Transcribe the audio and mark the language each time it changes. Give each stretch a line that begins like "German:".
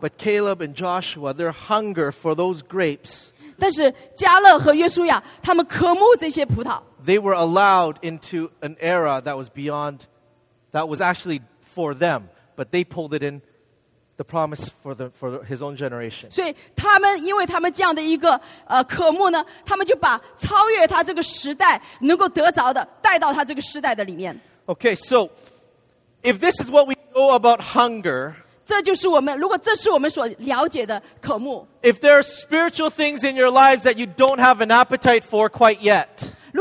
English: But Caleb and Joshua, their hunger for those grapes.
Chinese: 但是加勒和约书亚，他们渴慕这些葡萄。
English: They were allowed into an era that was beyond, that was actually for them, but they pulled it in. The promise for his own generation.
Chinese: 所以他们因为他们这样的一个渴慕呢，他们就把超越他这个时代能够得着的带到他这个时代的里面。
English: Okay, so if this is what we know about hunger,
Chinese: 这就是我们如果这是我们所了解的渴慕。
English: If there are spiritual things in your lives that you don't have an appetite for quite yet,